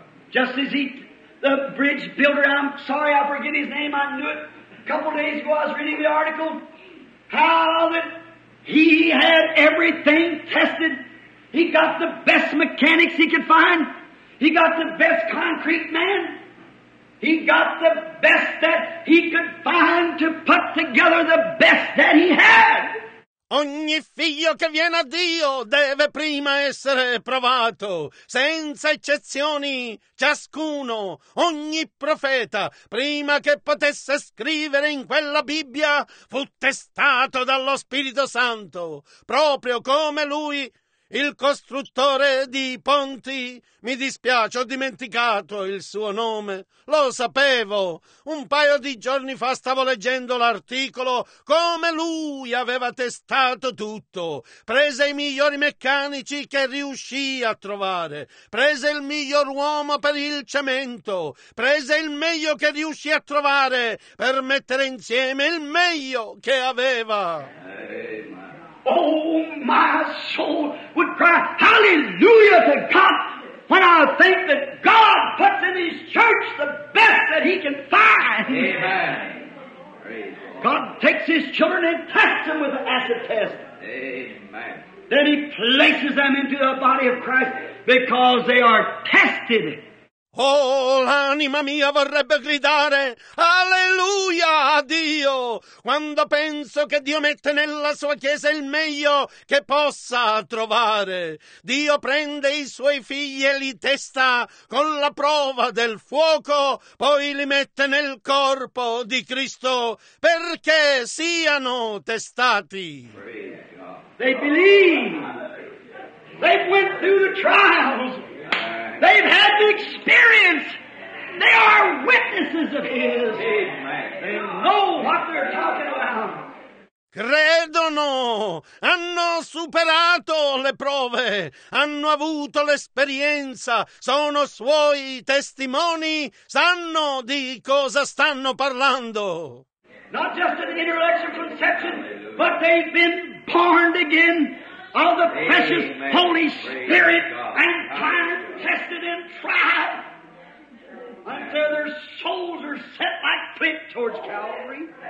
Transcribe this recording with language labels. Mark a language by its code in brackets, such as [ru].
[en] Just as the bridge builder, I'm sorry I forget his name, I knew it a couple days ago, I was reading the article, how that he had everything tested. He got the best mechanics he could find. He got the best concrete man. He got the best that he could find to put together the best that he had. [it] Ogni figlio che viene a Dio deve prima essere provato, senza eccezioni, ciascuno, ogni profeta, prima che potesse scrivere in quella Bibbia, fu testato dallo Spirito Santo, proprio come lui, il costruttore di ponti. Mi dispiace, ho dimenticato il suo nome. Lo sapevo. Un paio di giorni fa stavo leggendo l'articolo come lui aveva testato tutto. Prese i migliori meccanici che riuscì a trovare. Prese il miglior uomo per il cemento. Prese il meglio che riuscì a trovare per mettere insieme il meglio che aveva. [en] Oh, my soul would cry hallelujah to God when I think that God puts in his church the best that he can find. Amen. God takes his children and tests them with an acid test. Amen. Then he places them into the body of Christ because they are tested. [it] Oh, l'anima mia vorrebbe gridare alleluia a Dio quando penso che Dio mette nella sua chiesa il meglio che possa trovare. Dio prende i suoi figli e li testa con la prova del fuoco, poi li mette nel corpo di Cristo perché siano testati. [en] They believe. They went through the trials. They've had the experience. They are witnesses of his. Amen. They know what they're talking about. [it] Cred credono, hanno superato le prove, hanno avuto l'esperienza, sono suoi testimoni, sanno di cosa stanno parlando. [en] Not just an intellectual conception, but they've been born again of the precious Holy Spirit and tried, tested and tried until their souls are set like flint towards Calvary.